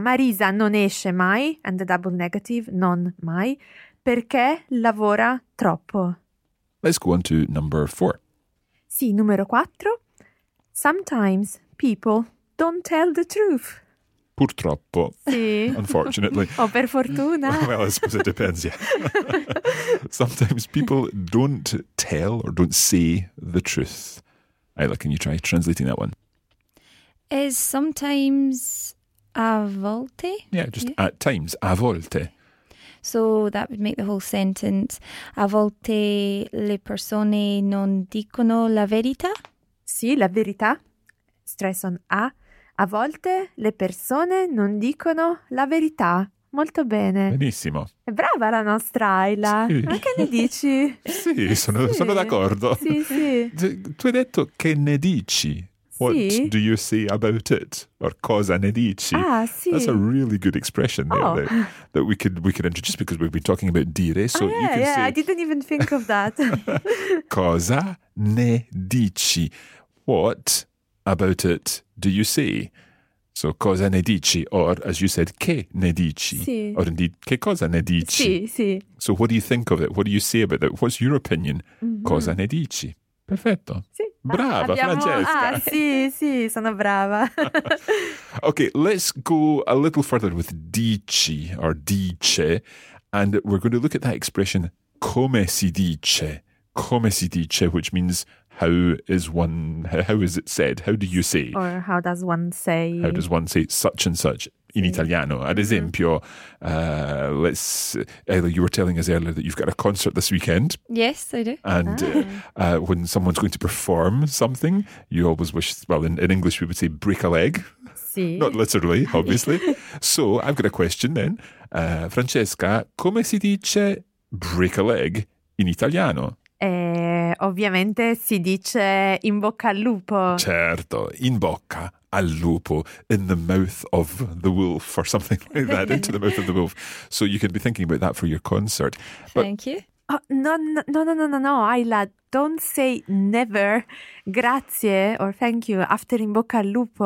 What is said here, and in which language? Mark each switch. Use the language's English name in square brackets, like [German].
[Italian] Marisa non esce mai, [English] and the double negative, [Italian] non mai, perché lavora troppo. [English] Let's go on to number four. [Italian] Sì, numero quattro. [English] Sometimes people don't tell the truth. [Italian] Purtroppo. Sì. [English] Unfortunately. [Italian] O per fortuna. [English] Well, I suppose it depends, yeah. Sometimes people don't tell or don't say the truth. Ayla, can you try translating that one? Is sometimes [Italian] a volte? [English] Yeah, just yeah. At times, [Italian] a volte. [English] So that would make the whole sentence. [Italian] A volte le persone non dicono la verità? Sì, la verità. [English] Stress on a. [Italian] A volte le persone non dicono la verità. Molto bene. Benissimo. È brava la nostra Ayla. Sì. Ma che ne dici? Sì, sono d'accordo. Sì, sì. Tu hai detto che ne dici. [English] What [Italian] sì. [English] do you say about it? Or [Italian] cosa ne dici? Ah, sì. [English] That's a really good expression there that we could introduce because we've been talking about dire. So yeah, you can yeah, say, I didn't even think of that. [Italian] Cosa ne dici? [English] What about it do you say? [Italian] So, cosa ne dici? [English] Or, as you said, [Italian] che ne dici? Sì. [English] Or indeed, [Italian] che cosa ne dici? Sì, sì. [English] So, what do you think of it? What do you say about it? What's your opinion? Mm-hmm. [Italian] Cosa ne dici? Perfetto. Sì. Brava, Francesca. Ah, sì, sì, sono brava. [English] Okay, let's go a little further with dici or dice. And we're going to look at that expression, [Italian] come si dice. Come si dice, [English] which means how is it said? How do you say? Or how does one say? How does one say such and such in Italiano? [Italian] Ad esempio, [English] Ayla, you were telling us earlier that you've got a concert this weekend. Yes, I do. And when someone's going to perform something, you always wish, well, in English we would say break a leg. [Italian] Sì. [English] Not literally, obviously. So I've got a question then. [Italian] Francesca, come si dice [English] break a leg [Italian] in Italiano? Ovviamente si dice in bocca al lupo. Certo, in bocca al lupo, [English] in the mouth of the wolf or something like that, into the mouth of the wolf. So you could be thinking about that for your concert. But, thank you. No, Ayla, don't say never grazie or thank you after [Italian] in bocca al lupo.